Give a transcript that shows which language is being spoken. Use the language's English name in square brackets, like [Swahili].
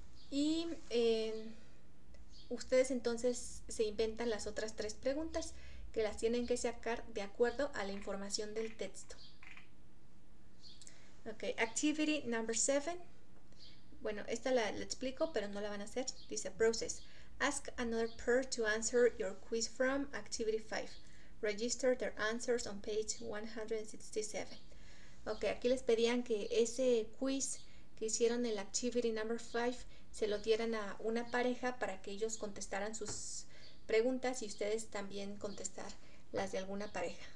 [Spanish] Y ustedes entonces se inventan las otras 3 preguntas que las tienen que sacar de acuerdo a la información del texto. Okay, [English] activity number 7. [Spanish] Bueno, esta la explico, pero no la van a hacer. Dice process. [English] Ask another pair to answer your quiz from activity 5. Register their answers on page 167. [Spanish] Ok, aquí les pedían que ese quiz que hicieron en la [English] activity number 5 [Spanish] se lo dieran a una pareja para que ellos contestaran sus preguntas y ustedes también contestar las de alguna pareja.